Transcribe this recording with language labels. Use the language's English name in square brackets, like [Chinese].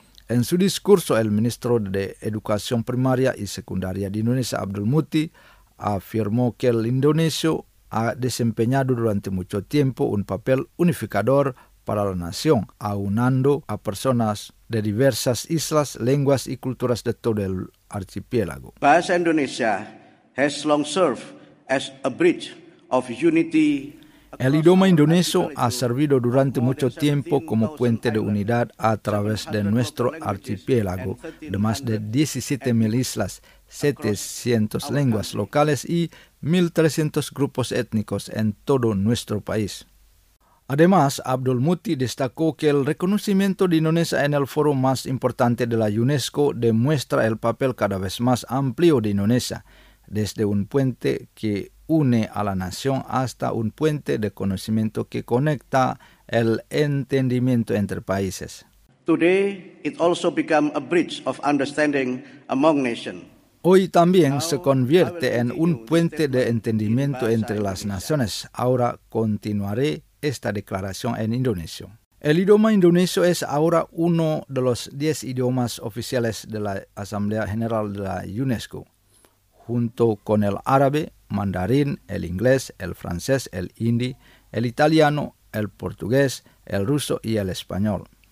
[Spanish] En su discurso, el ministro de Educación Primaria y Secundaria de Indonesia, Abdul Muti, afirmó que el indonesio ha desempeñado durante mucho tiempo un papel unificador para la nación, aunando a personas de diversas islas, lenguas y culturas de todo el archipiélago. [English] Bahasa Indonesia has long served as a bridge of unity. [Spanish] El idioma indonesio ha servido durante mucho tiempo como puente de unidad a través de nuestro archipiélago de más de 17.000 islas, 700 lenguas locales y 1.300 grupos étnicos en todo nuestro país. Además, Abdul Muti destacó que el reconocimiento de Indonesia en el foro más importante de la UNESCO demuestra el papel cada vez más amplio de Indonesia, desde un puente que une a la nación hasta un puente de conocimiento que conecta el entendimiento entre países. [English] Today, it also became a bridge of understanding among nations. [Spanish] Hoy también se convierte en un puente de entendimiento entre las naciones. Ahora continuaré esta declaración en indonesio. El idioma indonesio es ahora uno de los 10 idiomas oficiales de la Asamblea General de la UNESCO, junto con el árabe, mandarín, el inglés, el francés, el hindi, el italiano, el portugués, el ruso y el español.